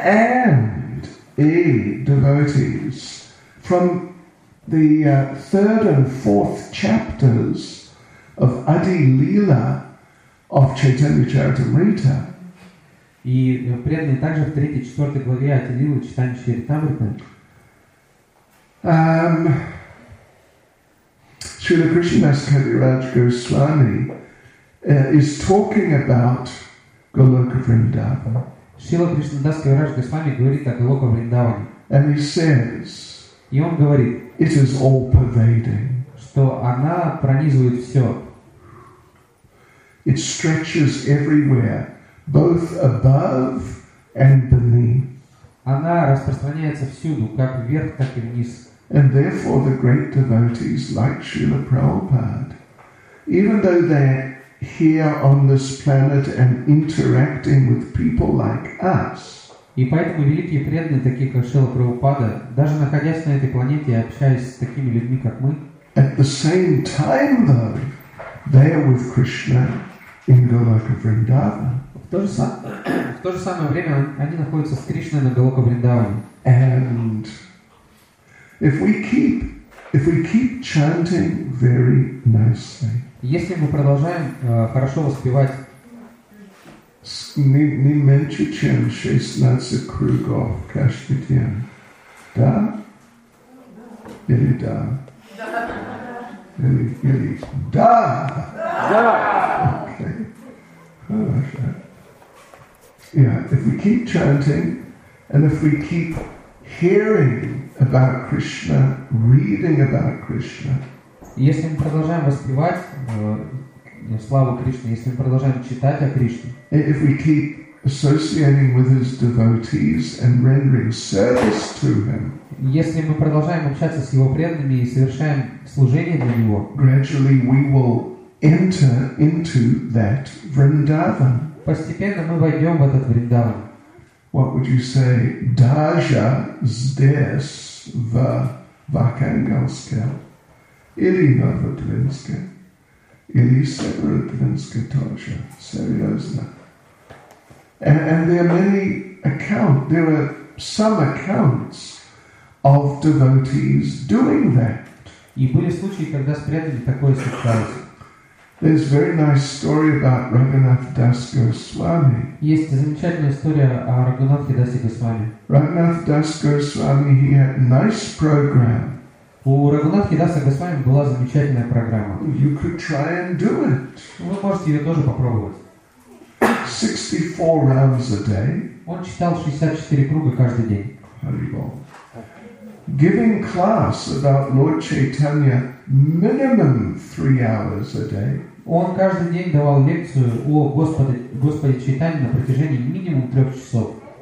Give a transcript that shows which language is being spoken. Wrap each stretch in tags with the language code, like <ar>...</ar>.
<en>And the devotees from the third and fourth chapters of Adi Lila of Chaitanya Charitamrita.</en> <ru>И преданные также в третьей и четвертой главе Адди Лилы Чайтанья Чаритамриты.</ru> <en>Srila Krishnadas Kaviraj Goswami is talking about Goloka Vrindavan.</en> <ru>Srila Krishnadas Kaviraj Goswami говорит о Голока Вриндаване.</ru> <en>And he says,</en> <ru>и он говорит,</ru> <en>it is all pervading.</en> <ru>Что она пронизывает все.</ru> <en>It stretches everywhere, both above and beneath.</en> <ru>Она распространяется всюду, как вверх, так и вниз.</ru> <en>And therefore the great devotees like Srila Prabhupada, even though they're here on this planet and interacting with people like us,</en> <ru>и поэтому великие преданные, такие как Шрила Прабхупада, даже находясь на этой планете и общаясь с такими людьми, как мы,</ru> <en>at the same time though, they are with Krishna in Goloka Vrindavan.</en> <ru>В то же самое время они находятся с Кришной на Голока Вриндаване.</ru> <en>And If we keep chanting very nicely,</en> <ru>если мы продолжаем хорошо воспевать, не меньше чем 16 кругов каждый день, да? Или да? Или да? Да.</ru> <en>Okay.</en> <ru>Хорошо.</ru> <en>Yeah. If we keep chanting, and if we keep hearing about Krishna, reading about Krishna.</en> <ru>Если мы продолжаем воспевать славу Кришны, если мы продолжаем читать о Кришне,</ru> <en>if we keep associating with his devotees and rendering service to him,</en> <ru>если мы продолжаем общаться с его преданными и совершаем служение для него,</ru> <en>gradually we will enter into that Vrindavan.</en> <ru>Постепенно мы войдем в этот Вриндаван.</ru> <en>What would you say,</en> <ru>даже здесь в Архангельске, или Новодвинске, или Северодвинске тоже, серьезно.</ru> <en>And there are many accounts, there are some accounts of devotees doing that.</en> <ru>И были случаи, когда спрятали такое сокровище.</ru> <en>There's a very nice story about Raghunath Das Goswami.</en> <ru>Есть замечательная история о Рагхунатхе Дасе Госвами.</ru> <en>Raghunath Das Goswami, he had nice program.</en> <ru>У Рагхунатхе Даса Госвами была замечательная программа.</ru> <en>You could try and do it.</en> <ru>Вы можете ее тоже попробовать.</ru> <en>64 rounds a day.</en> <ru>Он читал 64 круга каждый день.</ru> <en>Hare Bol. Giving class about Lord Chaitanya minimum 3 hours a day.</en> <ru>Он каждый день давал лекцию о Господе Чайтанье на протяжении минимум 3 часов.</ru>